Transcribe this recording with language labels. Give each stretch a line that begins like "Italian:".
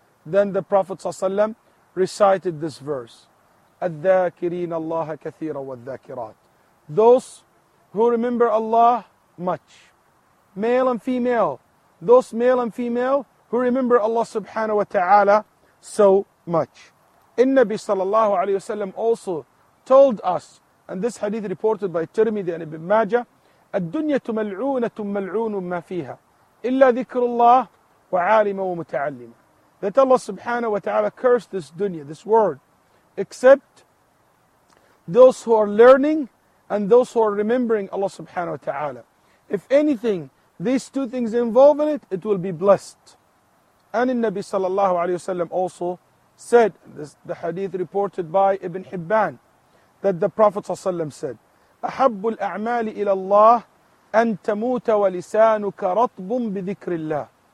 English: Then the Prophet ﷺ recited this verse,
Arabic: أَذَّاكِرِينَ اللَّهَ كَثِيرًا وَالذَّاكِرَاتِ.
English: Those who remember Allah much, male and female, those male and female who remember Allah subhanahu wa ta'ala so much. In Nabi sallallahu alayhi wa sallam also told us And this hadith reported by Tirmidhi and Ibn Majah,
Arabic: الدُّنْيَةُ مَلْعُونَةٌ مَلْعُونٌ مَا فِيهَا إِلَّا ذِكْرُ اللَّهِ وَعَالِمًا وَمُتَعَلِّمًا.
English: That Allah subhanahu wa ta'ala cursed this dunya, this world, except those who are learning and those who are remembering Allah subhanahu wa ta'ala. If anything, these two things involve in it, it will be blessed. And in Nabi sallallahu alayhi wa sallam also said, this, the hadith reported by Ibn Hibban, that the Prophet sallallahu alayhi wa sallam said,
Arabic: أَحَبُّ الْأَعْمَالِ إِلَى اللَّهِ أَن تَمُوتَ وَلِسَانُكَ رَطْبٌ بِذِكْرِ اللَّهِ.